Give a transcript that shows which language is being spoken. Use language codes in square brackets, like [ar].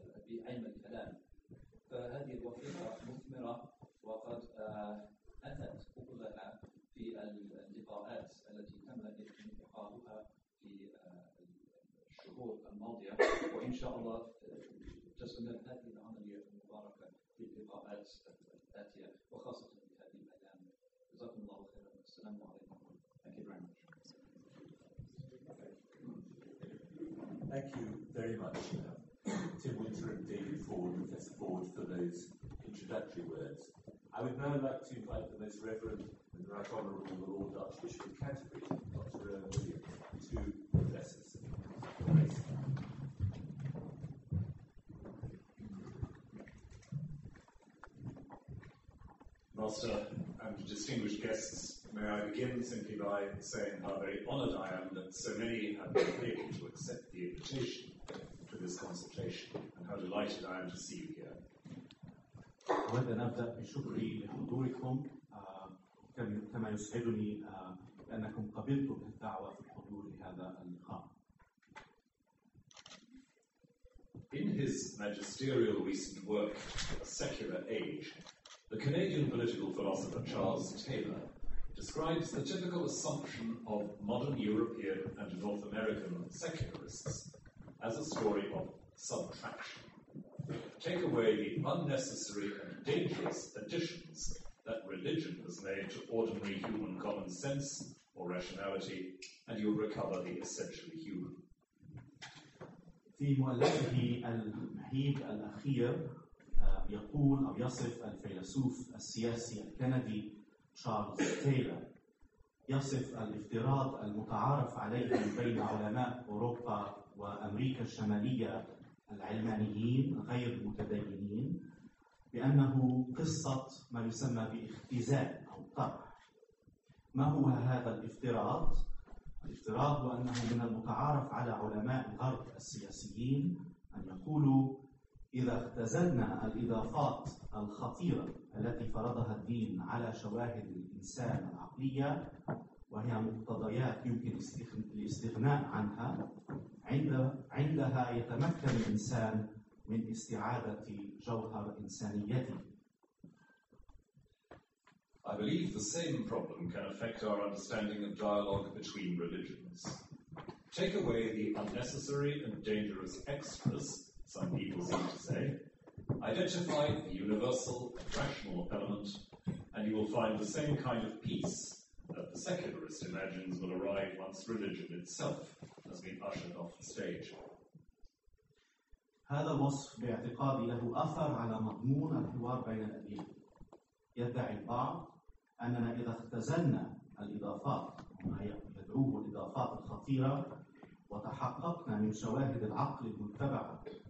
[ar] بعلم الكلام فهذه الوثيقة مثمرة وقد أتت أقلها في اللقاءات التي تم إلقاؤها في الشهور الماضية وإن شاء الله تستمر هذه العملية المباركة في اللقاءات الآتية وخاصة في هذه الأيام جزاكم الله خيرا السلام عليكم. [en] Thank you very much. Thank you very much, Tim Winter and David Ford, Professor Ford, for those introductory words. I would now like to invite the Most Reverend and Right Honourable the Lord Archbishop of Canterbury, Dr. Owen Williams, to address us. Master and distinguished guests, may I begin simply by saying how very honoured I am that so many have been able to accept the invitation for this consultation, and how delighted I am to see you here. Well, then after I should read the Hodoricum, [ar] كما يسعدني أنكم قبلتم الدعوة في حضور هذا اللقاء. [en] In his magisterial recent work, A Secular Age, the Canadian political philosopher Charles Taylor describes the typical assumption of modern European and North American secularists as a story of subtraction. Take away the unnecessary and dangerous additions that religion has made to ordinary human common sense or rationality, and you'll recover the essentially human. [ar] في مؤلفه المهيب الأخير يقول أو يصف الفيلسوف السياسي الكندي تشارلز تايلر يصف الافتراض المتعارف عليه بين علماء أوروبا وأمريكا الشمالية العلمانيين غير المتدينين بأنه قصة ما يسمى باختزال أو طرح. ما هو هذا الافتراض؟ الافتراض هو أنه من المتعارف على علماء الغرب السياسيين أن يقولوا إذا اختزلنا الإضافات الخطيرة التي فرضها الدين على شواهد الإنسان العقلية وهي مقتضيات يمكن الاستغناء عنها عندها يتمكن الإنسان من استعادة جوهر إنسانيته. [en] I believe the same problem can affect our understanding of dialogue between religions. Take away the unnecessary and dangerous extras, some people seem to say, identify the universal rational element, and you will find the same kind of peace that the secularist imagines will arrive once religion itself has been ushered off the stage. [ar] هذا وصف باعتقادي له أثر على مضمون الحوار بين الأديان. يدعي البعض أننا إذا اختزلنا الإضافات ما يدعوه الإضافات الخطيرة وتحققنا من شواهد العقل المتبعة